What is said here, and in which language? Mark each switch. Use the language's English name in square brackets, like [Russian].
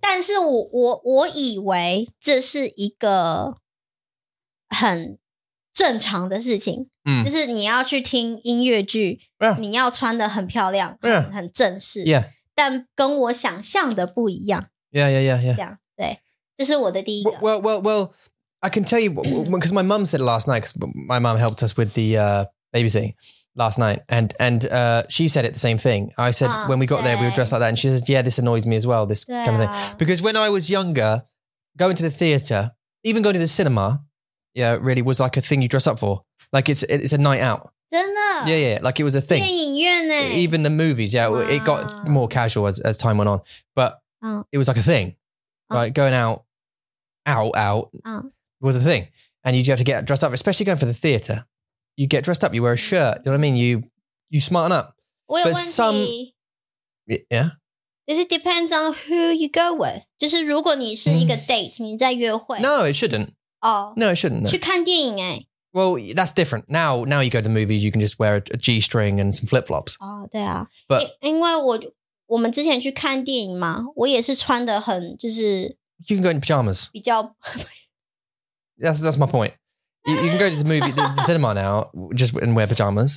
[Chinese] 但是我以为这是一个 很正常的事情, 就是你要去听音乐剧, [English] yeah. [Chinese] 你要穿得很漂亮, [English] yeah. [Chinese] 很正式, [English] yeah. [Chinese] 但跟我想象的不一样, [English] yeah, yeah, yeah, yeah. [Chinese] 这样, 对, 这是我的第一个。 [English] Well, I can tell you, because my mum said last night, because my mum helped us with the babysitting last night, and she said it the same thing. I said, when we got there, we were dressed like that, and she said, yeah, this annoys me as well, this kind of thing. Because when I was younger, going to the theatre, even going to the cinema, yeah, really was like a thing you dress up for. Like it's a night out. [Chinese] 真的? [English] Yeah, yeah. Like it was a thing. [Chinese] 电影院欸. [English] Even the movies. Yeah, wow. It got more casual as time went on. But it was like a thing. Right? Going out was a thing. And you'd have to get dressed up, especially going for the theatre. You get dressed up, you wear a shirt. You know what I mean? You smarten up. But some... Yeah? This depends on who you go with. [Chinese] 就是如果你是一个date, 你在约会。 [English] No, it shouldn't. Oh, no, it shouldn't. No. [Chinese] 去看电影欸. [English] Well, that's different. Now you go to the movies, you can just wear a G-string and some flip-flops. [Chinese] Oh, 对啊. [English] But [Chinese] 因为我们之前去看电影嘛, 我也是穿得很, 就是, [English] you can go in pajamas. [Chinese] 比较... [English] that's my point. You can go to the movie, the cinema now, just and wear pajamas.